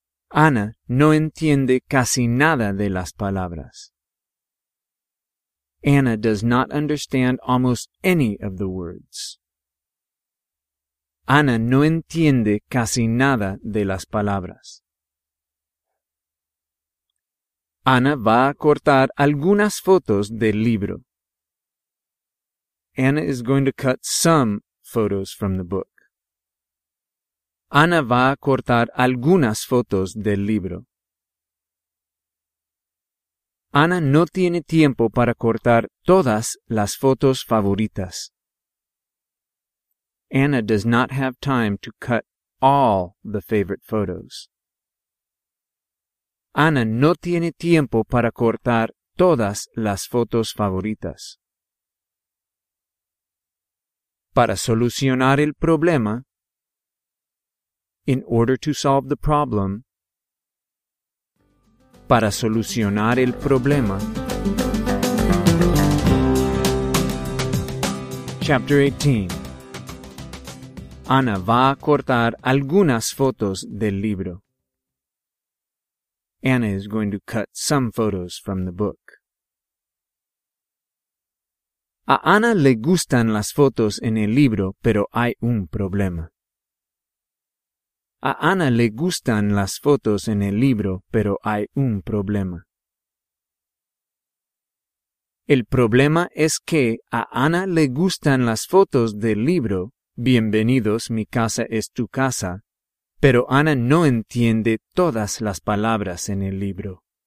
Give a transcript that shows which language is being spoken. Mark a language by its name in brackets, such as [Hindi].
[Spanish] Ana no entiende casi nada de las palabras. [English] Anna does not understand almost any of the words. [Spanish] Ana no entiende casi nada de las palabras. Ana va a cortar algunas fotos del libro. [English] Anna is going to cut some photos from the book. [Spanish] Ana va a cortar algunas fotos del libro. Ana no tiene tiempo para cortar todas las fotos favoritas. [English] Anna does not have time to cut all the favorite photos. [Spanish] Ana no tiene tiempo para cortar todas las fotos favoritas. Para solucionar el problema, [English] in order to solve the problem, [Spanish] para solucionar el problema. [English] Chapter 18. [Spanish] Ana va a cortar algunas fotos del libro. [English] Anna is going to cut some photos from the book. [Spanish] A Ana le gustan las fotos en el libro, pero hay un problema. A Ana le gustan las fotos en el libro, pero hay un problema. El problema es que a Ana le gustan las fotos del libro, Bienvenidos, mi casa es tu casa, pero Ana no entiende todas las palabras en el libro.